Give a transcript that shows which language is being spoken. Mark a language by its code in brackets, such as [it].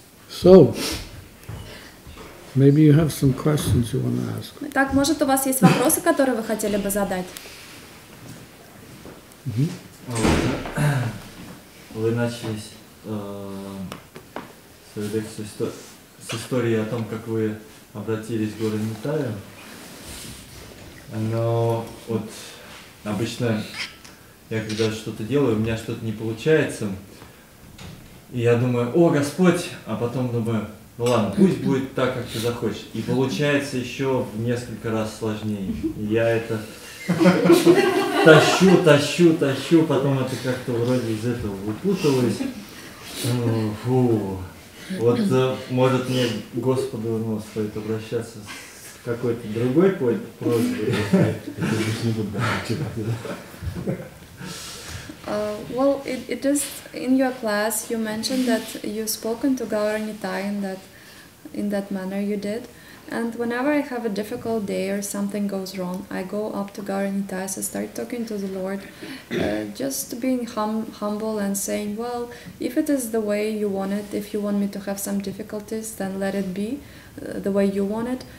[en] So, maybe you have some questions you want to ask. [ru] Так, может, у вас есть вопросы, которые вы хотели бы задать? Mm-hmm. Вы начали свою лекцию с истории о том, как вы обратились в город Нетаю. Но вот обычно я когда что-то делаю, у меня что-то не получается, и я думаю, о, Господь, а потом думаю, ну ладно, пусть будет так, как ты захочешь. И получается еще в несколько раз сложнее. И я это тащу, потом это как-то вроде из этого выпутываюсь. Фу. Вот может мне к Господу стоит обращаться с какой-то другой просьбой. Это же не будет. [en] Well, it is in your class you mentioned that you spoken to Gaura Nitai in that manner you did, and whenever I have a difficult day or something goes wrong, I go up to Gaura Nitai, so I start talking to the Lord, just being humble and saying, well, if it is the way you want it, if you want me to have some difficulties, then let it be the way you want it.